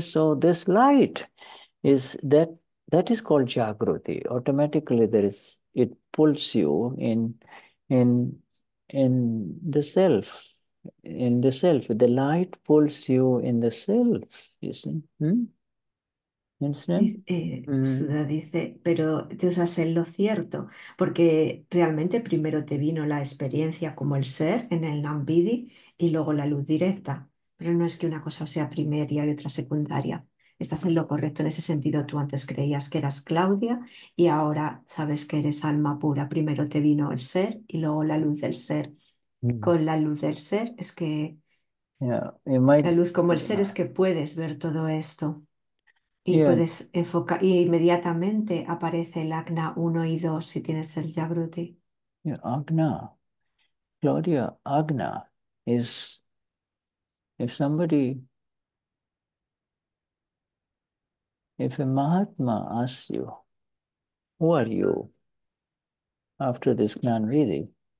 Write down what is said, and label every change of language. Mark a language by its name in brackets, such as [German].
[English] So this light is that is called Jagruti. Automatically there is, it pulls you in the self. In the self, the light pulls you in the self, you see. Incident. [Spanish] Suda dice, pero te usas en lo cierto, porque realmente primero te vino la experiencia como el ser en el Nambidi y luego la luz directa, pero no es que una cosa sea primaria y otra secundaria. Estás en lo correcto en ese sentido. Tú antes creías que eras Claudia y ahora sabes que eres alma pura. Primero te vino el ser y luego la luz del ser. Con la luz del ser es que la luz como el ser es que puedes ver todo esto. Y puedes enfocar, y inmediatamente aparece el Agna 1 y 2 si tienes el Jagruti. [English] Agna, Claudia, Agna is if somebody, if a Mahatma asks you, who are you after this Gnanvidhi?